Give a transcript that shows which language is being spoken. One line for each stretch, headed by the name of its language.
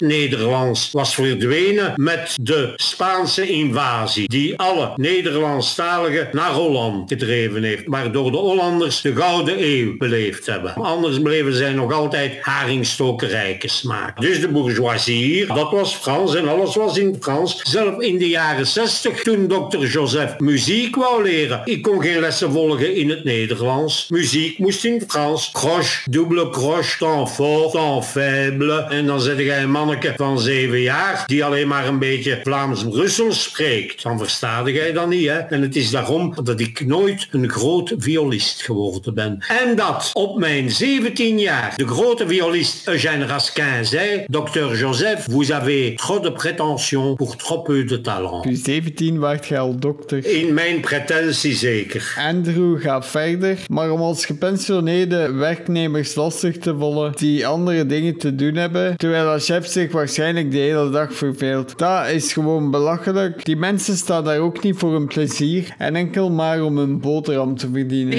Dutch: Nederlands was verdwenen met de Spaanse invasie die alle Nederlandstaligen naar Holland gedreven heeft, waardoor de Hollanders de Gouden Eeuw beleefd hebben. Anders bleven zij nog altijd haringstokerijkers maken. Dus de bourgeoisie hier, dat was Frans en alles was in Frans. Zelf in de jaren 60, toen dokter Joseph muziek wou leren, ik kon geen lessen volgen in het Nederlands. Muziek moest in Frans.
French: Croche, double croche, temps fort, temps faible.
Dutch: En dan zette jij een manneke van 7 jaar die alleen maar een beetje Vlaams-Brussels spreekt. Dan verstaat jij dat niet, hè? En het is daarom dat ik nooit een groot violist geworden ben. En dat op mijn 17 jaar de grote violist Eugène Raskin zei, dokter Joseph,
French: vous avez trop de prétention pour trop peu de talent.
Dutch: U 17 waard jij al dokter. In mijn pretentie zeker. Andrew gaat verder. Maar om als gepensioneerde werknemers lastig te vallen die andere dingen te doen hebben, terwijl de chef zich waarschijnlijk de hele dag verveelt. Dat is gewoon belachelijk. Die mensen staan daar ook niet voor hun plezier en enkel maar om hun boterham te verdienen.